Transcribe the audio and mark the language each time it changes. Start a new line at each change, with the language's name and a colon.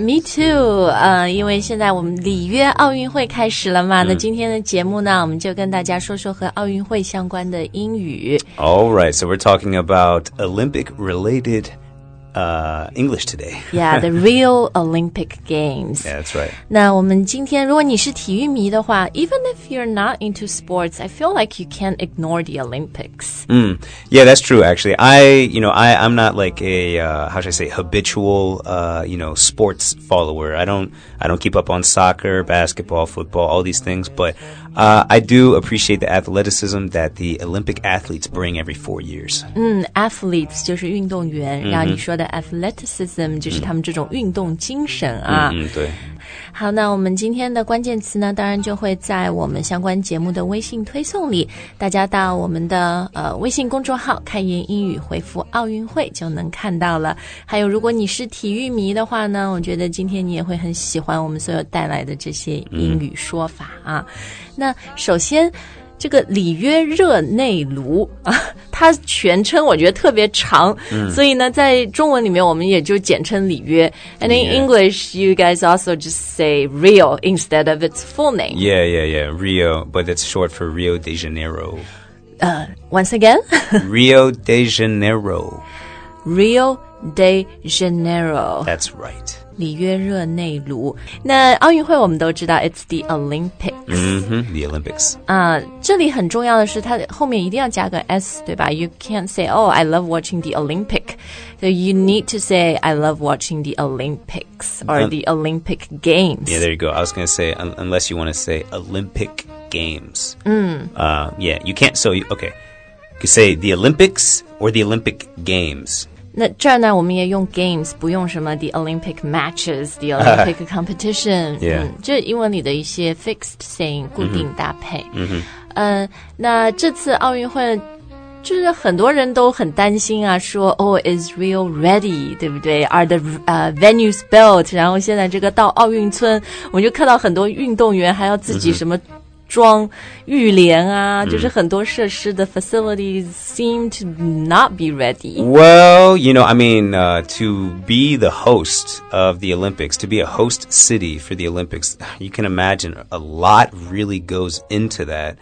English: Me too、
Chinese: 因为现在我们里约奥运会开始了嘛、那今天的节目呢我们就跟大家说说和奥运会相关的英语。
English: Alright, so we're talking about Olympic relatedEnglish today. Yeah, the real Olympic Games. Yeah, that's right.
Chinese: 那我们今天如果你是体育迷的话
English: even if you're not into sports, I feel like you can't ignore the Olympics. Yeah, that's true, actually. I'm not like a, how should I say, habitual, you know, sports follower. I don't keep up on soccer, basketball, football, all these things, but、I do appreciate the athleticism that the Olympic athletes bring every 4 years.
Chinese: Athletes 就是运动员、然后你说的 athleticism 就是他们这种运动精神啊。对。好，那我们今天的关键词呢当然就会在我们相关节目的微信推送里，大家到我们的、微信公众号开言英语回复奥运会就能看到了。还有如果你是体育迷的话呢，我觉得今天你也会很喜欢我们所有带来的这些英语说法啊。那首先这个里约热内卢、它全称我觉得特别长、所以呢在中文里面我们也就简称里约
English: and in English you guys also just say Rio instead of its full name. Yeah, yeah, yeah, Rio, but it's short for Rio de Janeiro. Once again? Rio de Janeiro. Rio de Janeiro. That's right.
Chinese: 里约热内卢，那奥运会我们都知道
English: It's the Olympics、 The Olympics、
Chinese: 这里很重要的是它后面一定要加个 S 对吧
English: You can't say Oh I love watching the Olympic、so、You need to say I love watching the Olympics Or the Olympic Games Yeah there you go I was going to say Unless you want to say Olympic Games、Yeah you can't So you, okay You can say the Olympics Or the Olympic Games
Chinese: 那这儿呢我们也用 games 不用什么
English: the Olympic matches the Olympic competition、
Chinese: 这英文里的一些 fixed saying 固定搭配、那这次奥运会就是很多人都很担心啊说 oh
English: is Rio ready
Chinese: 对不对
English: are the、venues built
Chinese: 然后现在这个到奥运村我就看到很多运动员还要自己什么装浴帘啊、就是很多设施的
English: facilities seem to not be ready. Well, you know, I mean,、to be the host of the Olympics, to be a host city for the Olympics, you can imagine a lot really goes into that.、